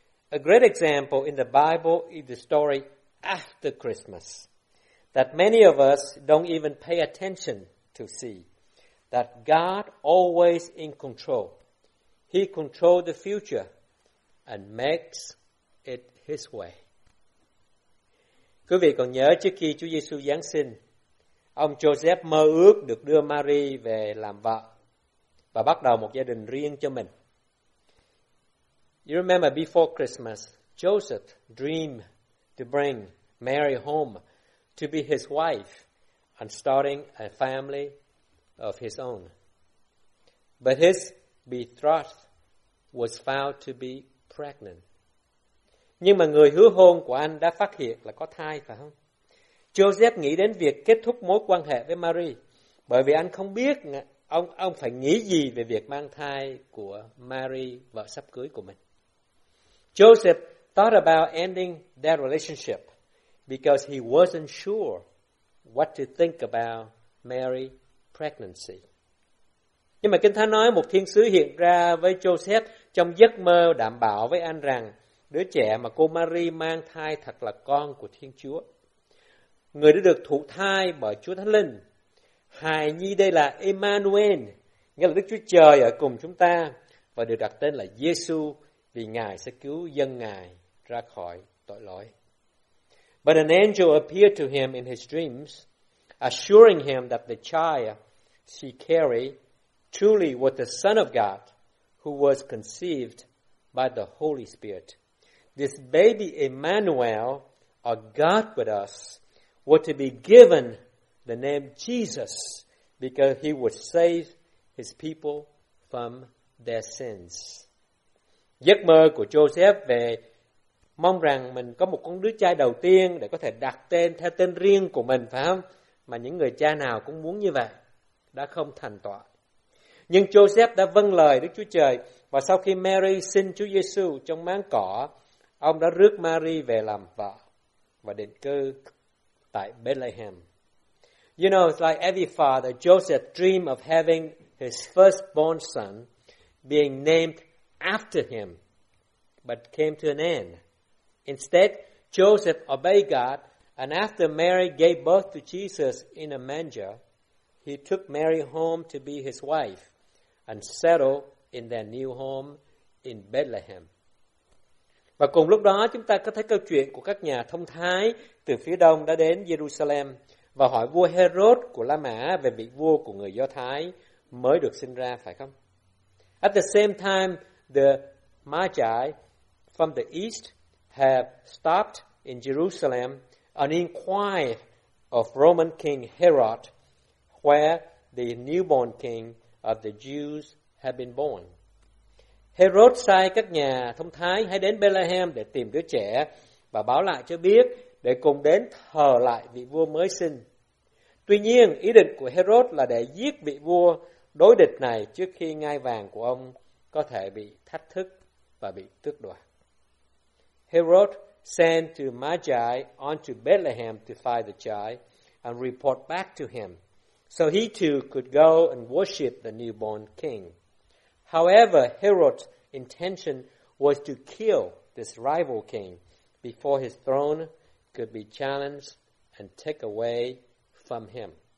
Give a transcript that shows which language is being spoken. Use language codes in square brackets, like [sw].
[en] A great example in the Bible is the story after Christmas that many of us don't even pay attention to see that God always in control. He controls the future and makes it his way. [vi] Quý vị còn nhớ trước khi Chúa Giêsu Giáng sinh, ông Joseph mơ ước được đưa Mary về làm vợ và bắt đầu một gia đình riêng cho mình. [en] You remember before Christmas, Joseph dreamed to bring Mary home to be his wife and starting a family of his own. But his betrothed was found to be pregnant. [vi] Nhưng mà người hứa hôn của anh đã phát hiện là có thai phải không? Joseph nghĩ đến việc kết thúc mối quan hệ với Mary, bởi vì anh không biết ông phải nghĩ gì về việc mang thai của Mary, vợ sắp cưới của mình. [en] Joseph thought about ending that relationship because he wasn't sure what to think about Mary's pregnancy. [vi] Nhưng mà Kinh Thánh nói một thiên sứ hiện ra với Joseph trong giấc mơ đảm bảo với anh rằng đứa trẻ mà cô Mary mang thai thật là con của Thiên Chúa. Người đã được thụ thai bởi Chúa Thánh Linh. Hài nhi đây là Emmanuel, nghĩa là Đức Chúa Trời ở cùng chúng ta, và được đặt tên là Giê-xu vì Ngài sẽ cứu dân Ngài ra khỏi tội lỗi. [en] But an angel appeared to him in his dreams, assuring him that the child she carried truly was the Son of God, who was conceived by the Holy Spirit. This baby Emmanuel, or God with us, was to be given the name Jesus, because he would save his people from their sins. [vi] Giấc mơ của Joseph về mong rằng mình có một con đứa trai đầu tiên để có thể đặt tên theo tên riêng của mình, phải không? Mà những người cha nào cũng muốn như vậy, đã không thành tọa. Nhưng Joseph đã vâng lời Đức Chúa Trời, và sau khi Mary sinh Chúa Giêsu trong máng cỏ, ông đã rước Mary về làm vợ và định cư tại Bethlehem. [en] You know, it's like every father, Joseph dreamed of having his firstborn son being named after him, but came to an end. Instead, Joseph obeyed God, and after Mary gave birth to Jesus in a manger, he took Mary home to be his wife and settle in their new home in Bethlehem. [vi] Và cùng lúc đó, chúng ta có thấy câu chuyện của các nhà thông thái từ phía đông đã đến Jerusalem và hỏi vua Herod của La Mã về vị vua của người Do Thái mới được sinh ra, phải không? [en] At the same time, the Magi from the east have stopped in Jerusalem an inquiry of Roman King Herod where the newborn king of the Jews had been born. [vi] Herod sai các nhà thông thái hãy đến Bethlehem để tìm đứa trẻ và báo lại cho biết để cùng đến thờ lại vị vua mới sinh. Tuy nhiên, ý định của Herod là để giết vị vua đối địch này trước khi ngai vàng của ông có thể bị thách thức và bị tước đoạt. [en] Herod sent to Magi onto Bethlehem to find the child and report back to him, so he too could go and worship the newborn king. However, Herod's intention was to kill this rival king before his throne could be challenged and take away from him.